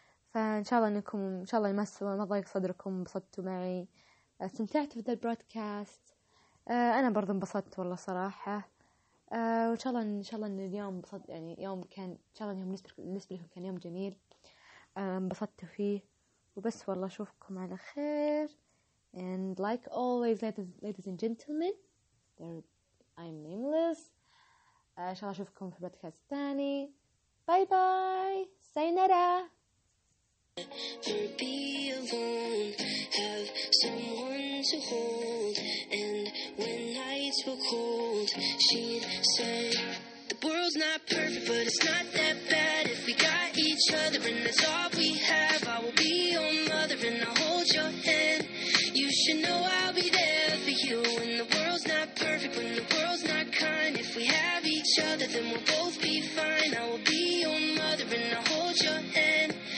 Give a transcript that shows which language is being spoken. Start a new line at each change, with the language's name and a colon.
Arabic: فإن شاء الله أنكم إن شاء الله ما ضايق صدركم بصدتوا معي استمتعت في ذا البرودكاست. أنا برضو انبسطت والله صراحة وإن شاء الله اليوم انبسطت يعني يوم كان إن شاء الله يوم بالنسبة لكم كان يوم جميل انبسطت فيه. وبس والله أشوفكم على خير
English: and like always ladies and gentlemen I'm nameless.
Arabic: إن شاء الله أشوفكم في بودكاست تاني. باي باي سينارا.
English: For be alone, have someone to hold, and when nights were cold, she'd say, the world's not perfect, but it's not that bad, if we got each other, and that's all we have, I will be your mother, and I'll hold your hand, you should know I'll be there for you, when the world's not perfect, when the world's not kind, if we have each other, then we'll both be fine, I will be your mother, and I'll hold your hand.